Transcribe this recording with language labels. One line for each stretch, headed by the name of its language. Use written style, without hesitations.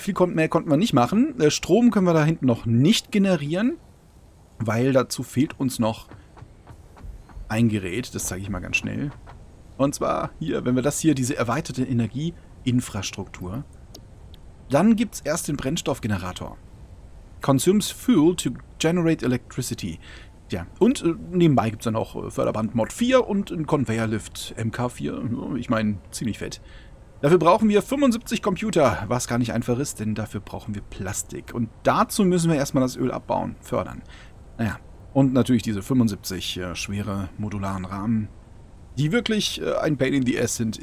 German: Viel mehr konnten wir nicht machen. Strom können wir da hinten noch nicht generieren, weil dazu fehlt uns noch ein Gerät, das zeige ich mal ganz schnell. Und zwar hier, wenn wir das hier, diese erweiterte Energieinfrastruktur, dann gibt es erst den Brennstoffgenerator.
English: Consumes fuel to generate electricity.
German: Ja, und nebenbei gibt es dann auch Förderband Mod 4 und ein Conveyor Lift MK4. Ich meine, ziemlich fett. Dafür brauchen wir 75 Computer, was gar nicht einfach ist, denn dafür brauchen wir Plastik. Und dazu müssen wir erstmal das Öl abbauen, fördern. Naja. Und natürlich diese 75 schwere modularen Rahmen, die wirklich ein
English: Pain in the Ass
German: sind.